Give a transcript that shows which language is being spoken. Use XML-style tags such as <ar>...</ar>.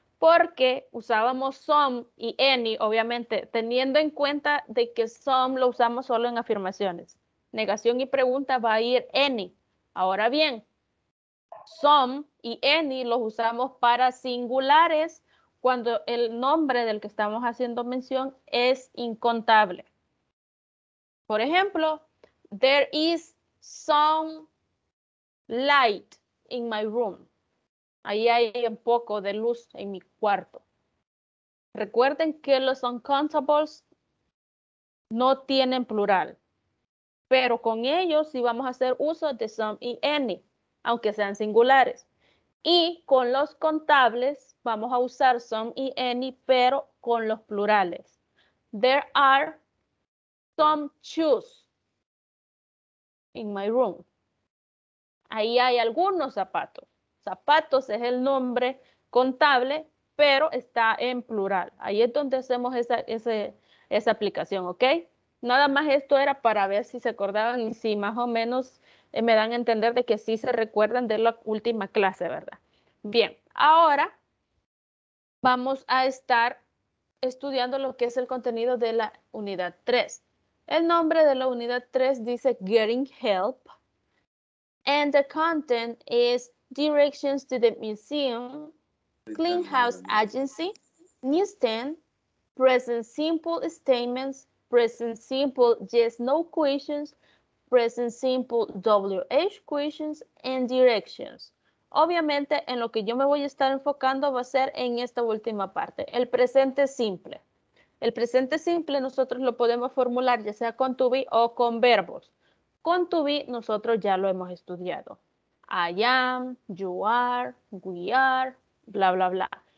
<es>Porque usábamos some y any, obviamente, teniendo en cuenta de que some lo usamos solo en afirmaciones. Negación y pregunta va a ir any. Ahora bien, some y any los usamos para singulares cuando el nombre del que estamos haciendo mención es incontable. Por ejemplo,</es> <en>there is some light in my room.</en> <es>Ahí hay un poco de luz en mi cuarto. Recuerden que los uncountables no tienen plural. Pero con ellos sí vamos a hacer uso de some y any, aunque sean singulares. Y con los contables vamos a usar some y any, pero con los plurales.</es> <en>There are some shoes in my room.</en> <es>Ahí hay algunos zapatos. Zapatos es el nombre contable, pero está en plural. Ahí es donde hacemos esa aplicación, ¿ok? Nada más esto era para ver si se acordaban y si más o menos me dan a entender de que sí se recuerdan de la última clase, ¿verdad? Bien, ahora vamos a estar estudiando lo que es el contenido de la unidad 3. El nombre de la unidad 3 dice Getting Help.</es> <en>And the content is Directions to the Museum, Clean House Agency, Newsstand, Present Simple Statements, Present Simple Yes No Questions, Present Simple WH Questions, and Directions.</en> <es>Obviamente, en lo que yo me voy a estar enfocando va a ser en esta última parte, el presente simple. El presente simple nosotros lo podemos formular ya sea con to be o con verbos. Con to be nosotros ya lo hemos estudiado.</es> <en>I am, you are, we are,</en> <es>bla, bla, bla.</es>